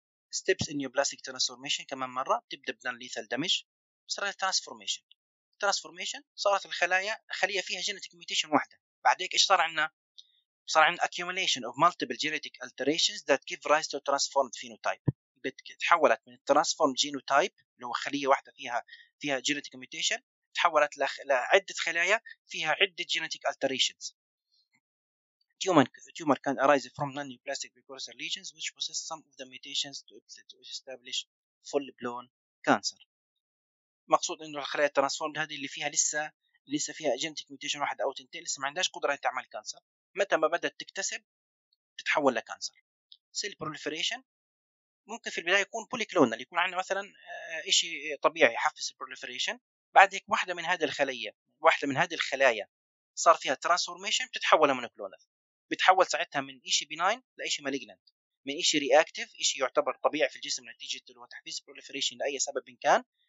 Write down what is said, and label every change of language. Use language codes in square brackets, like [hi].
[ar] ستيبس ان نيوبلاستيك ترانسفورميشن كمان مره تبدا بدون ليثال دامج، صارت ترانسفورميشن، ترانسفورميشن صارت الخلايا خليه فيها جينيتك ميوتيشن واحده، بعد هيك ايش صار عندنا؟ صار عندنا [en] accumulation of multiple genetic alterations that give rise to transformed phenotype. [ar] تحولت من [en] transformed genotype [ar] اللي هو خليه واحده فيها جينيتك ميوتيشن، تحولت لعده خلايا فيها عده جينيتك alterations. [en] tumor can arise from non-neoplastic precursor lesions which possess some of the mutations to establish full blown cancer. [ar] مقصود انه الخلايا الترانسفورمد هذه اللي فيها لسه فيها جينيتك ميوتيشن واحد او تنتين لسه ما عندهاش قدره تعمل كانسر، متى ما بدات تكتسب تتحول لكانسر. سيل بروليفريشن ممكن في البدايه يكون بولي كلونال، يكون عندنا مثلا شيء طبيعي يحفز البروليفريشن، بعد هيك واحده من هذه الخليه واحده من هذه الخلايا صار فيها ترانسفورميشن بتتحول لمونوكلونال، بتحول ساعتها من شيء بيناين لشيء مالجنت، من شيء رياكتيف شيء يعتبر طبيعي في الجسم نتيجه اللي هو تحفيز البروليفريشن لاي سبب إن كان.